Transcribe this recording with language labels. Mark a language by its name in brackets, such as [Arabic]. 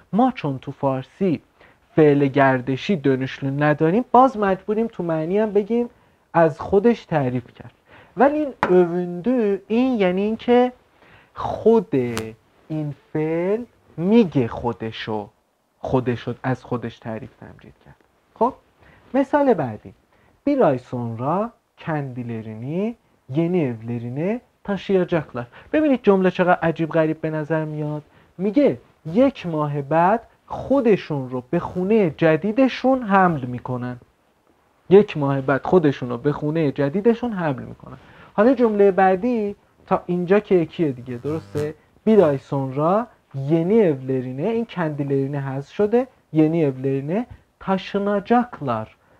[Persian] ما چون تو فارسی فعل گردشی دونوشلو نداریم، باز مجبوریم تو معنی هم بگیم از خودش تعریف کرد. ولی این اووندو، این یعنی این که خود این فعل میگه خودشو از خودش تعریف تمجید کرد. خب مثال بعدی. [Turkish] Bir ay sonra kendilerini yeni evlerine taşıyacaklar. [Persian] ببینید جمله چقدر عجیب غریب به نظر میاد. میگه یک ماه بعد خودشون رو به خونه جدیدشون حمل میکنن. یک ماه بعد خودشون رو به خونه جدیدشون حمل میکنن. حالا جمله بعدی تا اینجا که یکیه دیگه، درسته؟ [Turkish] Bir ay sonra yeni evlerine، [Persian] این kendilerine حذف شده، [Turkish] yeni evlerine taşınacaklar.